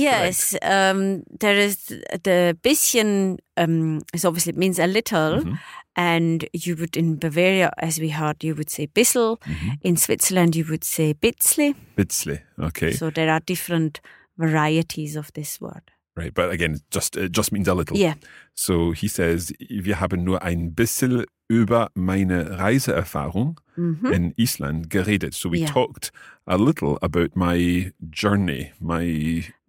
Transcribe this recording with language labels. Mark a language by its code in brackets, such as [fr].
[en] Yes, there is the bisschen, is obviously it means a little, and you would in Bavaria, as we heard, you would say bissel. In Switzerland, you would say bitzli. Bitzli, okay. So there are different varieties of this word. Right. But again, just it just means a little. Yeah. So he says, [de] wir haben nur ein bisschen über meine Reiseerfahrung in Island geredet. [en] So we talked a little about my journey, my